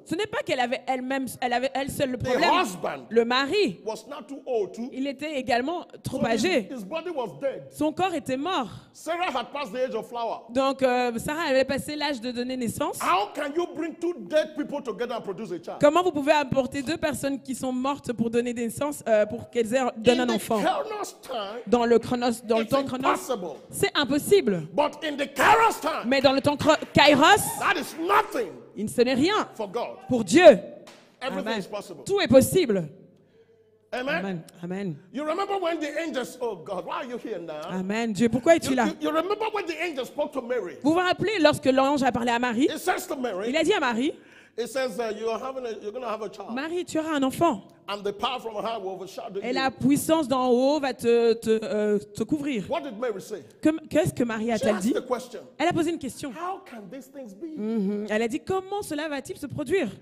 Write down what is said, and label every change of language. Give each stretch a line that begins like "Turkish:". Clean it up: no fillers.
French: Ce n'est pas qu'elle avait elle-même, elle avait elle seule le problème.
English: The husband,
French: le mari,
English: was not too old too.
French: Il était également trop
English: so
French: âgé.
English: His body was dead.
French: Son corps était mort.
English: Sarah had passed the age of flower.
French: Donc Sarah avait passé l'âge de donner naissance.
English: How can you bring two dead people together and produce a child?
French: Comment vous pouvez apporter deux personnes qui sont mortes pour donner naissance pour qu'elles aient donné un enfant?
English: In the chronos time,
French: dans le chronos, dans le temps chronos,
English: impossible.
French: C'est impossible.
English: But in the kairos time,
French: mais dans le temps kairos,
English: that is nothing.
French: Il ne serait rien
English: for God.
French: Pour Dieu.
English: Everything amen. Is possible.
French: Tout est possible. Amen. Amen. Amen.
English: You remember when the angels? Oh God, why are you here now?
French: Amen. Dieu, pourquoi es-tu là?
English: You remember when the angels spoke to Mary?
French: Vous vous rappelez lorsque l'ange a parlé à Marie?
English: It says to Mary.
French: Il a dit à Marie.
English: It says that you're going to have a child.
French: Marie, tu auras un enfant.
English: And the power from high will overshadow you.
French: Et la puissance d'en haut va te couvrir.
English: What did Mary say?
French: Qu'est-ce que Marie a-t-elle
English: she
French: dit?
English: Asked the question.
French: Elle a posé une question.
English: How can these things be? Mm-hmm.
French: Elle a dit comment cela va-t-il se produire?